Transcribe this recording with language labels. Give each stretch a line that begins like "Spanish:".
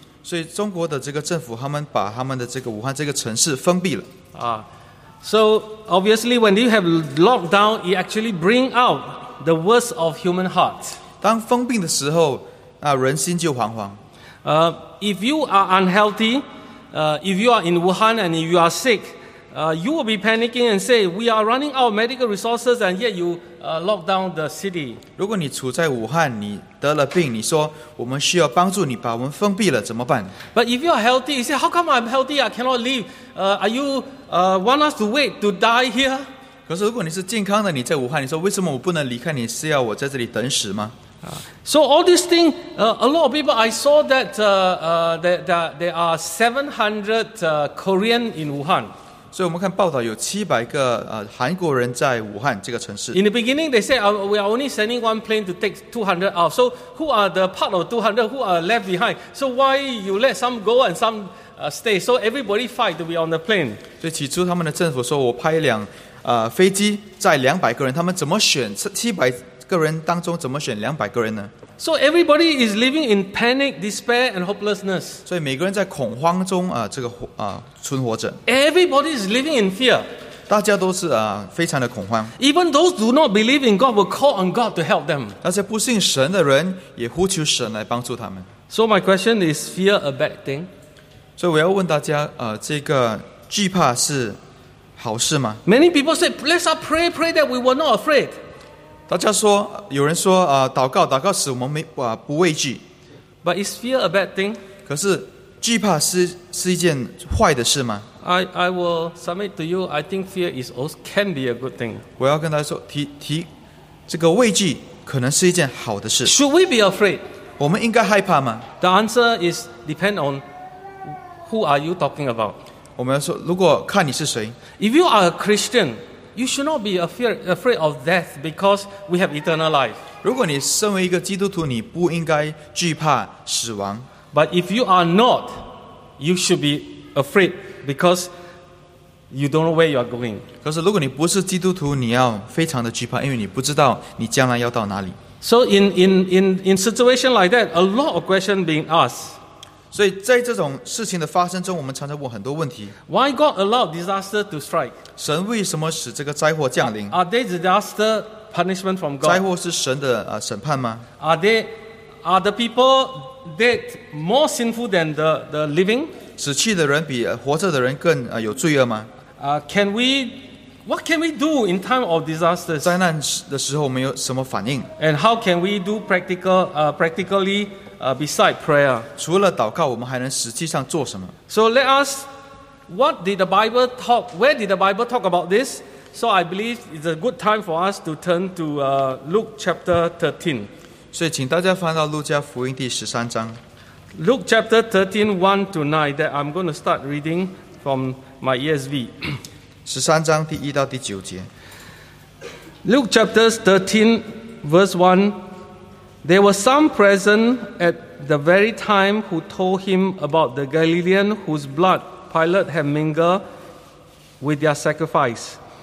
Chinese: 所以中国的这个政府，他们把他们的这个武汉这个城市封闭了。
English: So obviously, when you have lockdown, it actually bring out the worst of human hearts.
Chinese: 当封闭的时候，人心就惶惶。
English: If you are unhealthy, if you are in Wuhan and you are sick, you will be panicking and say, "We are running out of medical resources," and yet you lock down the city.
Chinese: 如果你处在武汉，你得了病，你说我们需要帮助你，把我们封闭了，怎么办
English: ？But if you are healthy, you say, "How come I'm healthy? I cannot leave. Are you want us to wait to die here?"
Chinese: 可是如果你是健康的，你在武汉，你说为什么我不能离开你？是要我在这里等死吗？
English: So all these things, a lot of people, I saw that there are 700 Korean in Wuhan.
Chinese: 所以我们看报道有700个韩国人在武汉这个城市。
English: In the beginning, they said, "We are only sending one plane to take 200 out. So who are the part of 200 who are left behind? So why you let some go and some stay? So everybody fight to be on the plane."
Chinese: 所以起初他们的政府说，我派两飞机载200个人，他们怎么选700个人当中怎么选200个人呢？
English: So everybody is living in panic, despair and hopelessness.
Chinese: 所以每个人在恐慌中存活着。
English: Everybody is living in fear.
Chinese: 大家都是非常的恐慌。
English: Even those who do not believe in God will call on God to help them.
Chinese: 那些不信神的人也呼求神来帮助他们。
English: So my question is, fear a bad thing?
Chinese: 所以我要问大家，这个惧怕是好事吗？
English: Many people say, let's pray that we were not afraid.
Chinese: 大家说，有人说，祷告使我们不畏惧。
English: But is fear a bad thing?
Chinese: 可是惧怕是一件坏的事吗？
English: I will submit to you, I think fear is also can be a good thing.
Chinese: 我要跟大家说，提这个畏惧可能是一件好的事。
English: Should we be afraid?
Chinese: 我们应该害怕吗？
English: The answer is depend on who are you talking about.
Chinese: 我们要说，如果看你是谁。
English: If you are a Christian, you should not be afraid of death because we have eternal life.
Chinese: 如果你身为一个基督徒，你不应该惧怕死亡。
English: But if you are not, you should be afraid because you don't know where you are going.
Chinese: 可是如果你不是基督徒，你要非常的惧怕，因为你不知道你将来要到哪里。
English: So in situation like that, a lot of questions being asked.
Chinese: 所以在这种事情的发生中，我们常常问很多问题。
English: Why God allowed disaster to strike?
Chinese: 神为什么使这个灾祸降临？
English: Are they disaster punishment from God?
Chinese: 灾祸是神的审判吗？
English: Are the people dead more sinful than the living?
Chinese: 死去的人比活着的人更有罪恶吗？
English: What can we do in time of disasters?
Chinese: 灾难的时候我们有什么反应？
English: And how can we do practically? Beside prayer,
Chinese: 除了祷告，我们还能实际上做什么？
English: So let us, what did the Bible talk? Where did the Bible talk about this? So I believe it's a good time for us to turn to Luke chapter 13.
Chinese: 所以请大家翻到路加福音第十三章。
English: Luke chapter 13, 1 to 9, that I'm going to start reading from my ESV.
Chinese: 十三章第一到第九节。
English: Luke chapter 13, verse 1. There were some present at the very time who told him about the Galilean whose blood Pilate had mingled with their sacrifice.